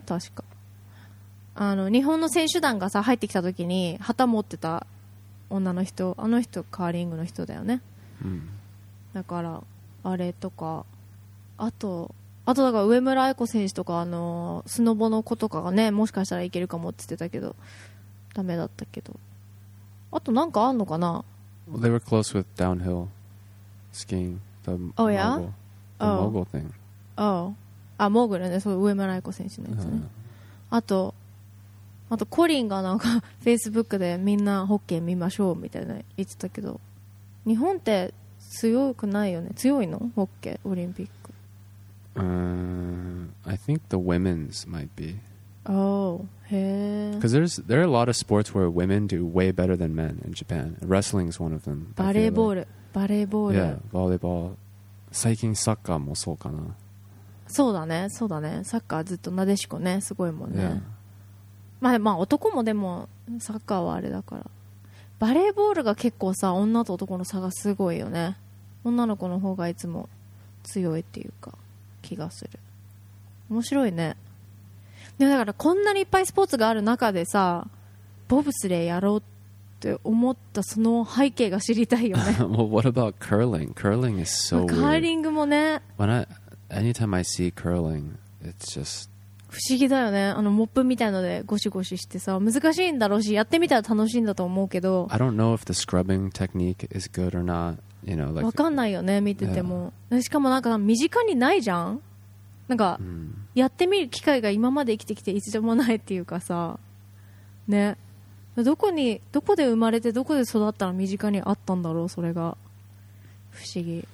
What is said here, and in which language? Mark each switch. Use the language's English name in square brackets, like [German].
[Japanese] 確か日本の選手団がさ入ってきた時に旗持ってた女の人、あの人カーリングの人だよね。うん、だからあれとか、あとだから上村愛子選手とか、スノボの子とかがね、もしかしたらいけるかもって言ってたけどダメだったけど、あとなんかあんのかな。 [English] Well, they were close with downhill skiing, the mogul, oh, yeah? the mogul thing. Oh. Oh. [Japanese] あ、モーグルね、そう、上村愛子選手のやつね。あとコリンがなんかフェイスブックでみんなホッケー見ましょうみたいな言ってたけど、日本って強くないよね。強いの？ホッケーオリンピック。 [English] I think the women's might be. Oh, へえ。 Because there are a lot of sports where women do way better than men in Japan. Wrestling is one of them. [Japanese] バレーボール、バレーボール。 [English] Yeah, volleyball. [Japanese] 最近サッカーもそうかな。そうだね、そうだね。サッカーずっとなでしこね、すごいもんね。 [English] Yeah. [Japanese] まあ男もでもサッカーはあれだから。バレーボールが結構さ、女と男の差がすごいよね。女の子の方がいつも強いっていうか気がする。面白いね。でだからこんなにいっぱいスポーツがある中でさ、ボブスレーやろうって思ったその背景が知りたいよね。 [English] Well, what about curling? Curling is so weird. [Japanese] カーリングもね。 [English] When I... Anytime I see curling, it's just [Japanese] 不思議だよね。モップみたいのでゴシゴシしてさ、難しいんだろうし、やってみたら楽しいんだと思うけど。 [English] I don't know if the scrubbing technique is good or not. You know, like [Japanese] わかんないよね、見てても。 [English] Yeah. [Japanese] しかもなんか身近にないじゃん。なんか、mm. やってみる機会が今まで生きてきて一度もないっていうかさ、ね。どこで生まれてどこで育ったら身近にあったんだろう、それが不思議。